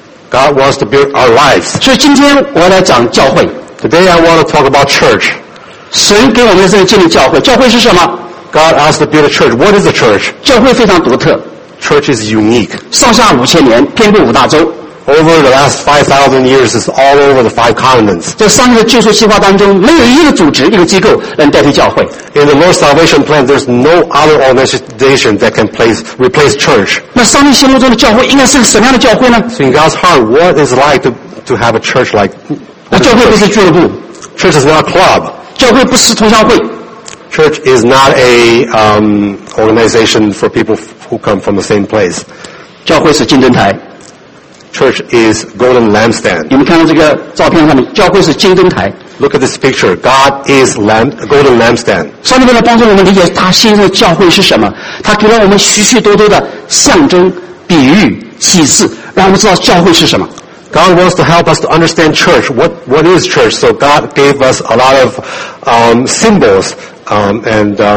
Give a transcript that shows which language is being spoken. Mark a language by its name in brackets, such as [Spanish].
[English] God wants to build our lives. [Chinese] 所以今天我来讲教会。 [English] Today I want to talk about church. [Chinese] 神给我们是建立教会。教会是什么？ [English] God asked to build a church. What is a church? [Chinese] 教会非常独特。 [English] Church is unique. [Chinese] 上下五千年，遍布五大洲。 [English] Over the last 5,000 years, it's all over the five continents. [Chinese] 在上帝的救赎计划当中，没有一个组织、一个机构能代替教会。 [English] In the Lord's salvation plan, there's no other organization that can replace church. [Chinese] 那上帝心目中的教会应该是个什么样的教会呢？ [English] So in God's heart, what is it like to have a church like? [Chinese] 那教会不是俱乐部。 [English] Church is not a club. [Chinese] 教会不是同乡会。 [English] Church is not a organization for people who come from the same place. [Chinese] 教会是竞争台。 [English] Church is golden lampstand. [Chinese] 你们看到这个照片上面，教会是金灯台。 [English] Look at this picture. God is golden lampstand. [Chinese] 上帝为了帮助我们理解他心中的教会是什么，他给了我们许许多多的象征、比喻、启示，让我们知道教会是什么。 [English] God wants to help us to understand church. What is church? So God gave us a lot of symbols and